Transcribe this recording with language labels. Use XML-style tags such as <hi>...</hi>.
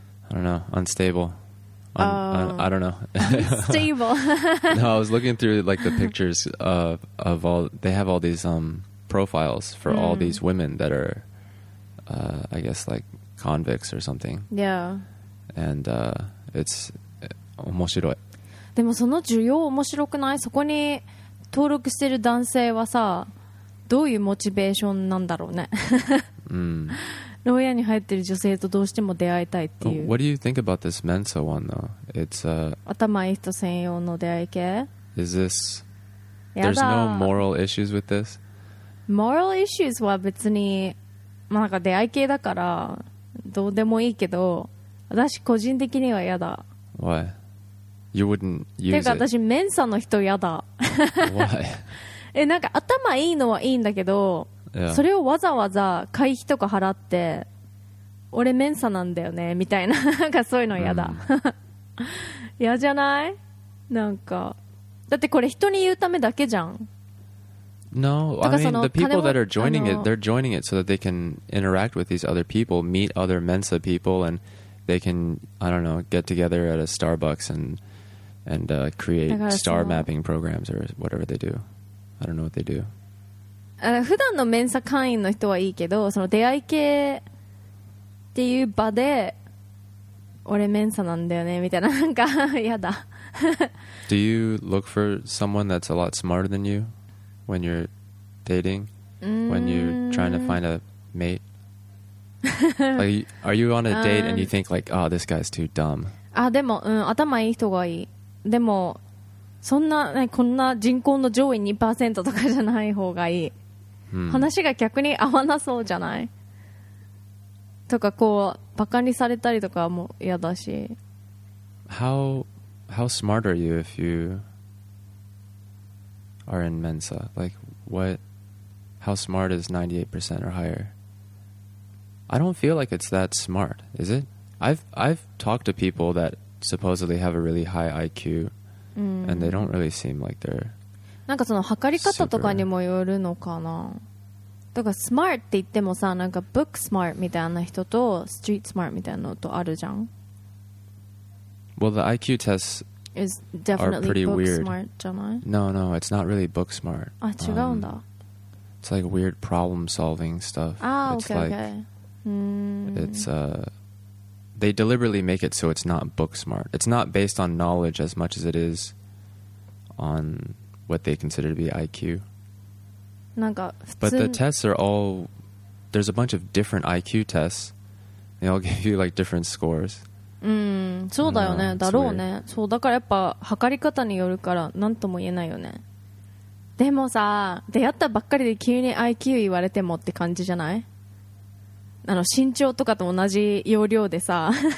<en>I don't know. Unstable. I don't know. Unstable. No, I was looking through like the pictures of all. They have all these profiles for all these women that are, I guess, like convicts or something. Yeah. And it's</en> <ja>面白い。でもその需要面白くない？そこに登録してる男性はさ、どういうモチベーションなんだろうね。牢屋に入ってる女性とどうしても出会いたいっていう。</ja> <en>What do you think about this Mensa one though? It's a</en> <ja>頭いい人専用の出会い系。</ja> <en>Is this? There's no moral issues with this. Moral issues</en> <ja>は別に、まあ、なんか出会い系だからどうでもいいけど、私個人的には嫌だ。</ja> <en>Why? You wouldn't use it.</en> <ja>てか私メンサの人嫌だ。</ja> <en>Why?</en> <ja>なんか頭いいのはいいんだけど。</ja> <en>Yeah.</en> <ja>それをわざわざ会費とか払って俺メンサなんだよねみたいな、なんかそういうの嫌だ。嫌じゃない？なんかだってこれ人に言うためだけじゃん。</ja> <en>No, I mean the people that are joining it, they're joining it so that they can interact with these other people, meet other Mensa people, and they can, I don't know, get together at a Starbucks and create star mapping programs or whatever they do. I don't know what they do.</en> <ja>普段のメンサ会員の人はいいけど、その出会い系っていう場で俺メンサなんだよねみたいな、なんか嫌だ。</ja> <en>Do you look for someone that's a lot smarter than you when you're dating? When you're trying to find a mate? are you on a date and you think like, oh, this guy's too dumb?</en> <ja>あ、でも、頭いい人がいい。でもそんな、ね、こんな人口の上位 2% とかじゃない方がいい。話が逆に合わなそうじゃない？とかこうバカにされたりとかも嫌だし。</ja> <en>How smart are you if you are in Mensa? Like what? How smart is 98% or higher? I don't feel like it's that smart, is it? I've talked to people that supposedly have a really high IQ, and they don't really seem like they're.</en> <ja>なんかその測り方とかにもよるのかな。だからスマートって言ってもさ、なんかブックスマートみたいな人とストリートスマートみたいなのとあるじゃん。</ja> <en>Well, the IQ tests is definitely are pretty book weird. Smart,</en> <ja>じゃない?</ja> <en>No, it's not really book smart.</en> <ja>あ、違うんだ。</ja> <en>It's like weird problem solving stuff. Ah, it's okay, like, okay. It's they deliberately make it so it's not book smart. It's not based on knowledge as much as it is on what they consider to be IQ. But the tests are all, there's a bunch of different IQ tests. They all give you like different scores.</en> <ja>そうだよね、だろうね。そうだからやっぱ測り方によるから何とも言えないよね。でもさ、出会ったばっかりで急に IQ 言われてもって感じじゃない？あの身長とかと同じ要領でさ</ja>